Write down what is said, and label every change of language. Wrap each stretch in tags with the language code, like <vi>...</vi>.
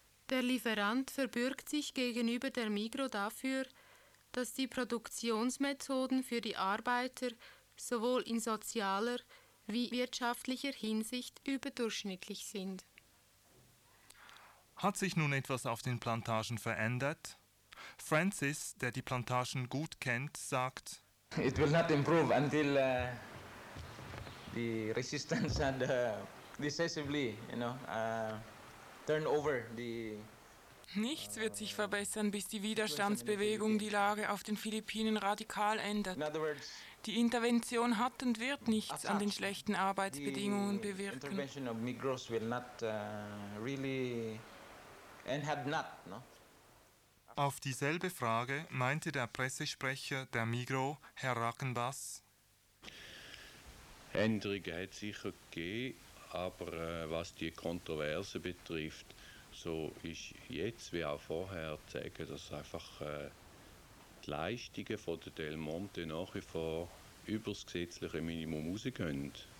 <de>Der Lieferant verbürgt sich gegenüber der Migros dafür, dass die Produktionsmethoden für die Arbeiter sowohl in sozialer wie wirtschaftlicher Hinsicht überdurchschnittlich sind. Hat sich nun etwas auf den Plantagen verändert? Francis, der die Plantagen gut kennt, sagt:</de> <en>It will not improve until the resistance and decisively, you know, turn over the.</en> <de>Nichts wird sich verbessern, bis die Widerstandsbewegung die Lage auf den Philippinen radikal ändert.</de> <en>In other words,</en> <de>die Intervention hat und wird nichts an den schlechten Arbeitsbedingungen bewirken.</de> <en>The intervention of Migros will not really. And had not, no?</en> <de>Auf dieselbe Frage meinte der Pressesprecher der Migros, Herr Rackenbass. Änderungen hat es sicher gegeben, aber was die Kontroverse betrifft, so ist jetzt wie auch vorher zu sagen, dass einfach die Leistungen von der Del Monte nach wie vor über das gesetzliche Minimum rausgehen.</de>